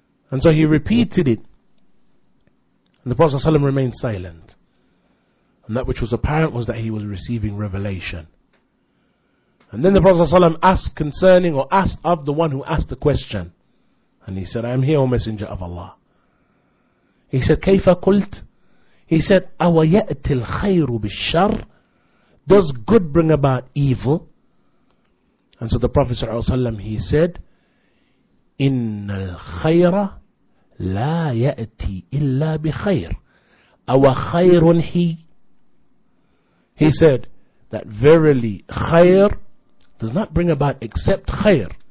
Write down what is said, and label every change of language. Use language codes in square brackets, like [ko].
[en] And so he repeated it. And the Prophet ﷺ remained silent. And that which was apparent was that he was receiving revelation. And then the Prophet ﷺ asked of the one who asked the question. And he said, I am here, O Messenger of Allah. He said, [ar] كَيْفَ قُلْتَ? [en] He said, [ar] أَوَ يَأْتِ الْخَيْرُ بِالشَّرْ? [en] Does good bring about evil? And so the Prophet ﷺ, he said, [ar] إِنَّ الْخَيْرَ لَا يَأْتِ إِلَّا بِخَيْرٌ أَوَ خَيْرٌ [en] He said, that verily خَيْر does not bring about except khair.